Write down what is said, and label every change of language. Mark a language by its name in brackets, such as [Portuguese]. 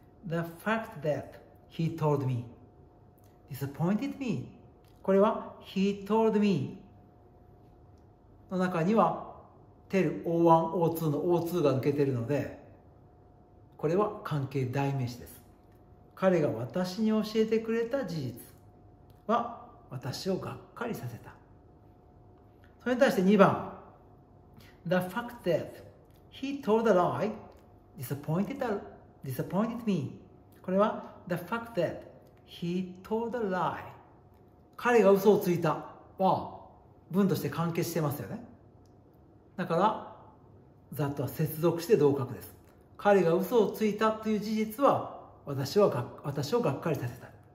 [English] The fact that he told me disappointed me。 [Japanese] これは [English] he told me [Japanese] の中には tell O1 O2 の O2 が抜けているので、これは関係代名詞です。彼が私に教えてくれた事実は私をがっかりさせた。それに対して2番 [English] The fact that he told a lie disappointed me。 [Japanese] これは [English] The fact that he told a lie、 [Japanese] 彼が嘘をついたは文として完結してますよね。だから that は接続して同格です。彼が嘘をついたという事実は私をがっかりさせた。